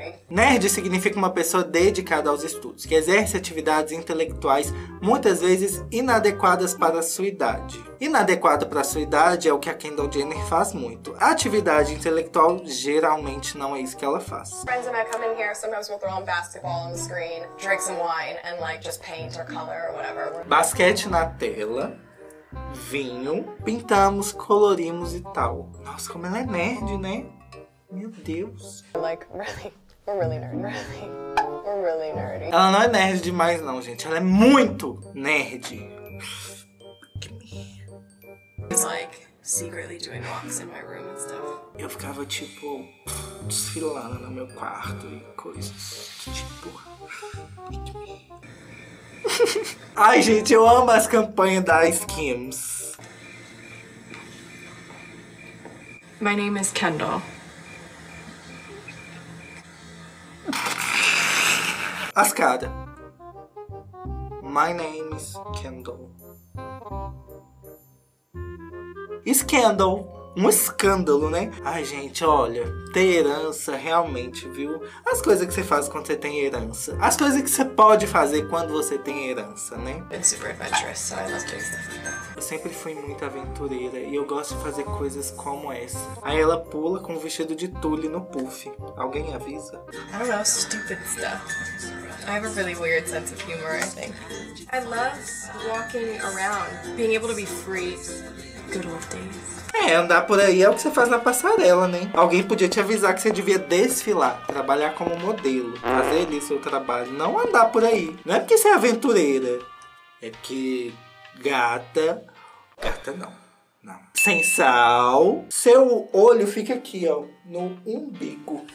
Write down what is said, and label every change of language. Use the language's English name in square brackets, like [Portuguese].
[Portuguese] Nerd significa uma pessoa dedicada aos estudos, que exerce atividades intelectuais muitas vezes inadequadas para a sua idade. Inadequado para a sua idade é o que a Kendall Jenner faz muito. A atividade intelectual geralmente não é isso que ela faz. [English] Friends and I come in here, sometimes we'll throw on basketball on the screen, drink some wine, and like just paint or color or whatever. [Portuguese] Basquete na tela. Vinho, pintamos, colorimos e tal. Nossa, como ela é nerd, né? Meu Deus. [English] Like, really nerdy. [Portuguese] Ela não é nerd demais, não, gente. Ela é muito nerd. [English] Like, secretly doing walks in my room and stuff. [Portuguese] Eu ficava, tipo, desfilando no meu quarto e coisas. Tipo. Ai, gente, eu amo as campanhas da Skims. [English] My name is Kendall. [Portuguese] As cara. [English] My name is Kendall. [Portuguese] Scandal. Um escândalo, né? Ai, gente, olha, ter herança realmente, viu? As coisas que você faz quando você tem herança. As coisas que você pode fazer quando você tem herança, né? [English] It's super adventurous, so I love doing stuff like that. [Portuguese] Eu sempre fui muito aventureira e eu gosto de fazer coisas como essa. Aí ela pula com um vestido de tule no puff. Alguém avisa? [English] I don't know, stupid stuff. I have a really weird sense of humor, I think. I love walking around, being able to be free. Good old days. [Portuguese] É, andar por aí é o que você faz na passarela, né? Alguém podia te avisar que você devia desfilar, trabalhar como modelo, fazer ali seu trabalho, não andar por aí. Não é porque você é aventureira, é porque gata... Gata não, não. Sem sal, seu olho fica aqui, ó, no umbigo.